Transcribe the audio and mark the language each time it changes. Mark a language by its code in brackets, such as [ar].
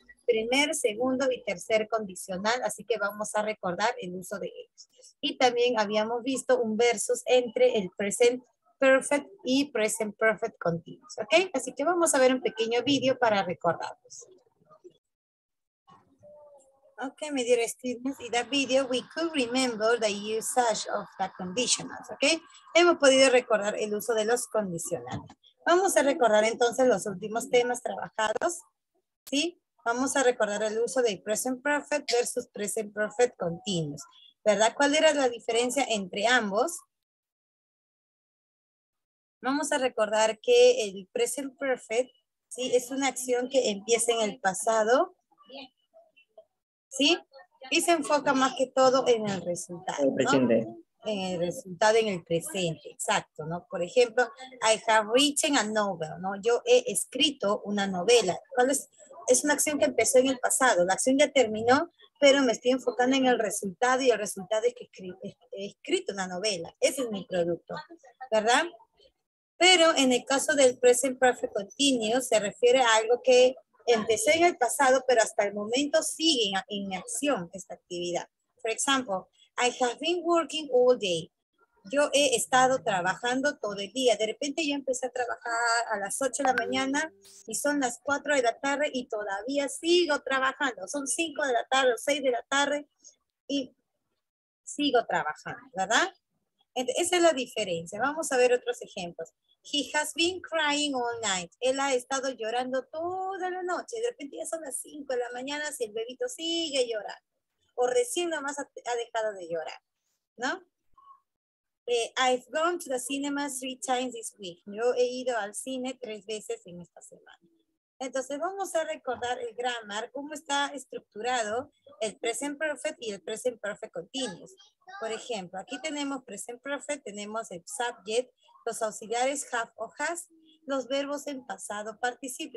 [es] Primer, segundo y tercer condicional, así que vamos a recordar el uso de ellos. Y también habíamos visto un versus entre el present perfect y present perfect continuous, ¿ok? Así que vamos a ver un pequeño video para recordarlos. [en] Ok, my dear students, in that video we could remember the usage of the conditionals, ¿ok? [es] Hemos podido recordar el uso de los condicionales. Vamos a recordar entonces los últimos temas trabajados, ¿sí? Vamos a recordar el uso de present perfect versus present perfect continuous. ¿Verdad? ¿Cuál era la diferencia entre ambos? Vamos a recordar que el present perfect, ¿sí? Es una acción que empieza en el pasado, ¿sí? Y se enfoca más que todo en el resultado, ¿no? En el resultado, en el presente, exacto, ¿no? Por ejemplo, [en] I have written a novel, [es] ¿no? Yo he escrito una novela. ¿Cuál es? Es una acción que empezó en el pasado. La acción ya terminó, pero me estoy enfocando en el resultado y el resultado es que he escrito una novela. Ese es mi producto, ¿verdad? Pero en el caso del present perfect continuous, se refiere a algo que empezó en el pasado, pero hasta el momento sigue en acción esta actividad. Por ejemplo, [en] I have been working all day. [es] Yo he estado trabajando todo el día. De repente yo empecé a trabajar a las 8 de la mañana y son las 4 de la tarde y todavía sigo trabajando. Son 5 de la tarde o 6 de la tarde y sigo trabajando, ¿verdad? Entonces, esa es la diferencia. Vamos a ver otros ejemplos. [en] He has been crying all night. [es] Él ha estado llorando toda la noche. De repente ya son las 5 de la mañana si el bebito sigue llorando. O recién nomás ha dejado de llorar, ¿no? [en] I've gone to the cinema 3 times this week. [es] Yo he ido al cine 3 veces en esta semana. Entonces, vamos a recordar el grammar, cómo está estructurado el present perfect y el present perfect continuous. Por ejemplo, aquí tenemos present perfect, tenemos el subject, los auxiliares have o has, los verbos en pasado participio.